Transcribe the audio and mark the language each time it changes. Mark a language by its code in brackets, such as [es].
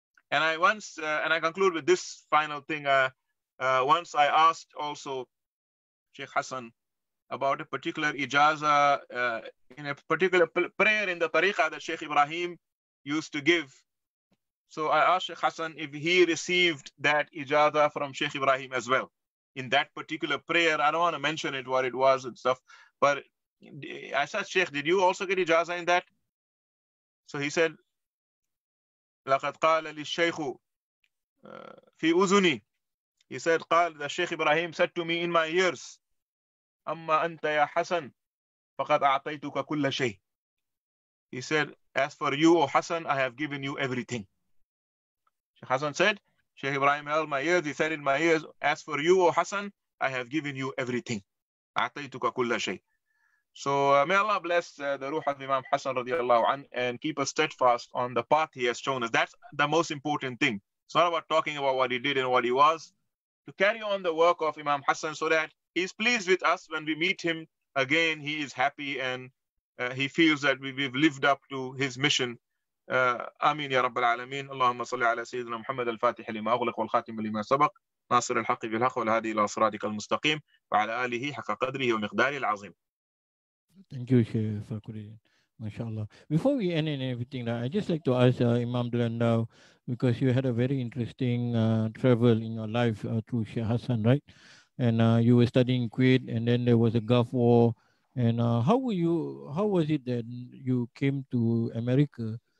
[en] And I once, and I conclude with this final thing. Once I asked also Sheikh Hassan about a particular ijazah, in a particular prayer in the tariqah that Sheikh Ibrahim used to give. So I asked Sheikh Hassan if he received that ijazah from Sheikh Ibrahim as well. In that particular prayer, I don't want to mention it, what it was and stuff. But I said, Sheikh, did you also get ijazah in that? So he said, [ar] لَقَدْ قَالَ لِلشَّيْخُ فِي أُزُنِي. [en] He said, قَالَ Sheikh Ibrahim said to me in my ears, [ar] أَمَّا أَنْتَ يَا حَسَنْ فَقَدْ أَعْطَيْتُكَ كُلَّ شَيْءٍ. [en] He said, as for you, O Hassan, I have given you everything. Sheikh Hassan said, Sheikh Ibrahim held my ears. He said in my ears, as for you, O Hassan, I have given you everything. [ar] أَعْطَيْتُكَ كُلَّ شَيْءٍ. [en] So may Allah bless the ruh of Imam Hassan radiallahu anh and keep us steadfast on the path he has shown us. That's the most important thing. It's not about talking about what he did and what he was. To carry on the work of Imam Hassan so that he's pleased with us when we meet him again, he is happy and he feels that we've lived up to his mission. [ar] آمين يا رب العالمين اللهم صل على سيدنا محمد الفاتح لما أغلق والخاتم لما سبق ناصر الحق في الحق والهادي إلى صراطك المستقيم وعلى آله حق قدره ومقداره العظيم. [en] Thank you, Shaykh Fakhruddin. MashaAllah. Before we end in everything, I just like to ask Imam Ndaw, because you had a very interesting travel in your life through Shaykh Hassan, right? And you were studying in Kuwait, and then there was a Gulf War. And how was it that you came to America?